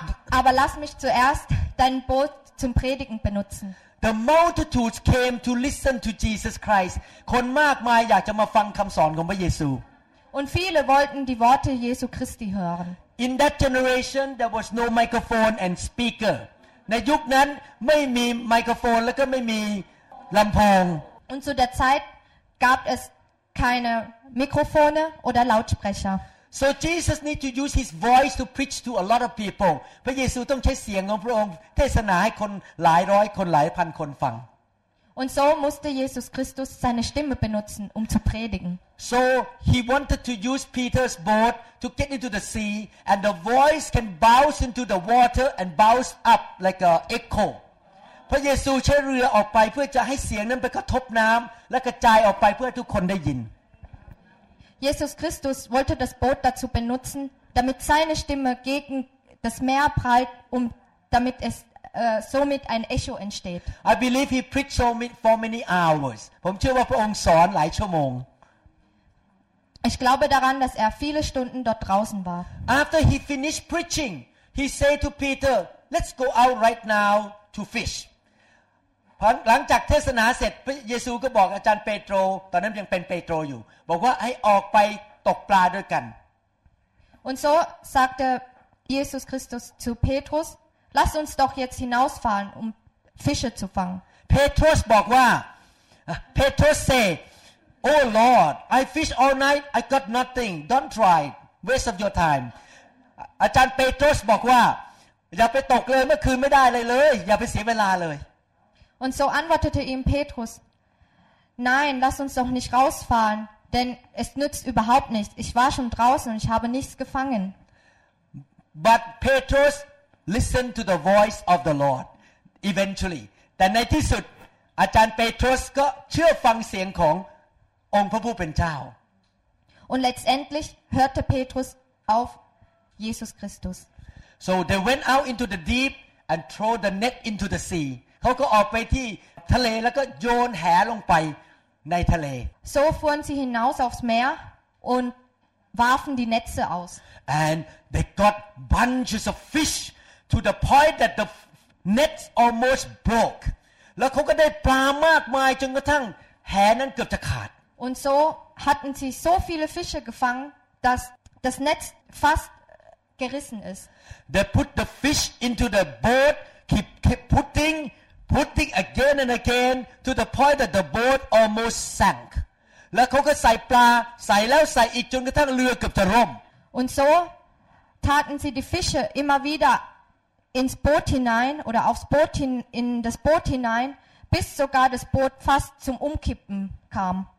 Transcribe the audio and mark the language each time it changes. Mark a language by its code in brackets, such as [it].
[de] Aber lass mich zuerst dein Boot zum Predigen benutzen. [en] The multitudes came to listen to Jesus Christ. [th] คนมากมายอยากจะมาฟังคำสอนของพระเยซู [de] Und viele wollten die Worte Jesu Christi hören. [en] In that generation, there was no microphone and speaker. [th] ในยุคนั้นไม่มีไมโครโฟนและก็ไม่มีลำโพง [de] Und zu der Zeit gab es keine Mikrofone oder Lautsprecher. [en] So Jesus need to use his voice to preach to a lot of people. [th] พระเยซูต้องใช้เสียงของพระองค์เทศนาให้คนหลายร้อยคนหลายพันคนฟัง [de] Und so musste Jesus Christus seine Stimme benutzen, um zu predigen. [en] So he wanted to use Peter's boat to get into the sea, and the voice can bounce into the water and bounce up like an echo. [th] พระเยซูใช้เรือออกไปเพื่อจะให้เสียงนั้นไปกระทบน้ำและกระจายออกไปเพื่อทุกคนได้ยิน [de] Jesus Christus wollte das Boot dazu benutzen, damit seine Stimme gegen das Meer prallt, um damit es somit ein Echo entsteht. [en] I believe he preached for many hours. [th] ผมเชื่อว่าพระองค์สอนหลายชั่วโมง [de] Ich glaube daran, dass er viele Stunden dort draußen war. [en] After he finished preaching, he said to Peter, "Let's go out right now to fish." [th] หลังจากเทศนาเสร็จพระเยซูก็บอกอาจารย์เปโตรตอนนั้นยังเป็นเปโตรอยู่บอกว่าให้ออกไปตกปลาด้วยกัน [de] Und so sagte Jesus Christus zu Petrus Lass uns doch jetzt hinausfahren um Fische zu fangen [th] Petrus บอกว่า [en] Petrus say Oh Lord I fish all night I got nothing don't try waste of your time [th] อาจารย์เปโตรบอกว่าอย่าไปตกเลยเมื่อคืนไม่ได้เลยอย่าไปเสียเวลาเลย [de] Und so antwortete ihm Petrus Nein lass uns doch nicht rausfahrenDenn es nützt überhaupt nichts. Ich war schon draußen und ich habe nichts gefangen. [en] But Petrus listened to the voice of the Lord. Eventually, [th] แต่ในที่สุดอาจารย์เปโตรสก็เชื่อฟังเสียงขององค์พระผู้เป็นเจ้า [de] Und letztendlich hörte Petrus auf Jesus Christus. [en] So they went out into the deep and throw the net into the sea. [th] เขาก็ออกไปที่ทะเลแล้วก็โยนแหลงไปในทะเล [de] So fuhren sie hinaus aufs Meer und warfen die Netze aus. [en] And they got bunches of fish to the point that the nets almost broke. [th] แล้วเขาก็ได้ปลามากมายจนกระทั่งแหนั้นเกือบจะขาด [de] Und so hatten sie so viele Fische gefangen, dass das Netz fast gerissen ist. [en] They put the fish into the boat, keep putting again and again to the point that the boat almost sank. [th] แล้วเขาก็ใส่ปลาใส่แล้วใส่อีกจนกระทั่งเรือเกือบจะล่ม [de] Und so taten sie die Fische immer wiederins Boot hinein oder aufs Boot hin in das Boot hinein bis sogar das Boot fast zum Umkippen kam.